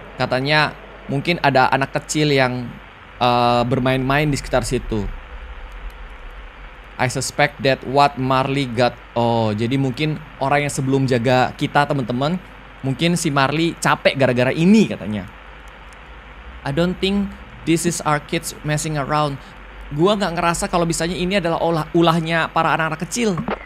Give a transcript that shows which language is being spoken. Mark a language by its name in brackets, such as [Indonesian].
[Indonesian] Katanya mungkin ada anak kecil yang bermain-main di sekitar situ. [English] I suspect that what Marley got. [Indonesian] Oh, jadi mungkin orang yang sebelum jaga kita, teman-teman, mungkin si Marley capek gara-gara ini katanya. [English] I don't think this is our kids messing around. [Indonesian] Gua enggak ngerasa kalau misalnya ini adalah ulahnya para anak-anak kecil.